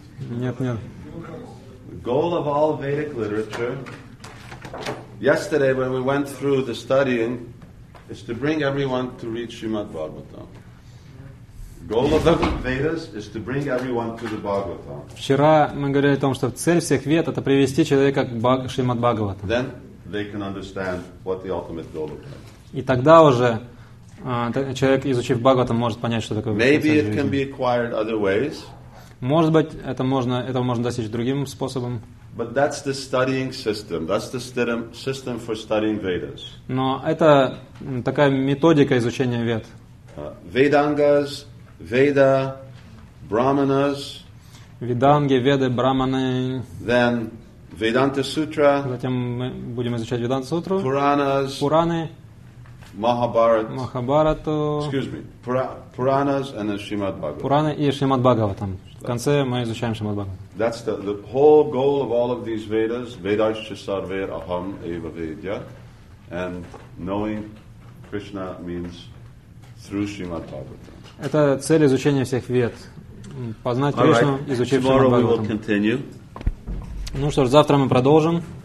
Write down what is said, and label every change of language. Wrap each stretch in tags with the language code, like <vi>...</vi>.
<ru>Нет.</ru> <en>The goal of all Vedic literature, yesterday when we went through the studying, is to bring everyone to read Srimad Bhagavatam. Goal of the Vedas is to bring everyone to the Bhagavatam.</en> <ru>Вчера мы говорили о том, что цель всех Вед — это привести человека к Шримад Бхагаватам.</ru> <en>Then they can understand what the ultimate goal of that.</en> <ru>И тогда уже человек, изучив Бхагаватам, может понять, что такое.</ru> <en>Maybe it can be acquired other ways.</en> <ru>Может быть, этого можно достичь другим способом.</ru> <en>But that's the studying system. That's the system for studying Vedas.</en> <ru>Но это такая методика изучения Вед.</ru> <en>Vedangas, Veda, Brahmanas,</en> <ru>Vedangi, Veda, Brahmane,</ru> <en>then Vedanta Sutra,</en> <ru>затем мы будем изучать Vedanta Sutra,</ru> <en>Puranas,</en> <ru>Purane,</ru> <en>Mahabharata, excuse me, Puranas and then Srimad Bhagavatam.</en> <ru>Purane и Srimad Bhagavatam. В конце мы изучаем Srimad Bhagavatam.</ru> <en>That's the whole goal of all of these Vedas,</en> <sa>Vedasya Sarve Aham Eva Vedya,</sa> <en>and knowing Krishna means through Srimad Bhagavatam.</en> <ru>Это цель изучения всех Вед. Познать Кришну, изучив Шримад Бхагаватам. Ну что ж, завтра мы продолжим.</ru>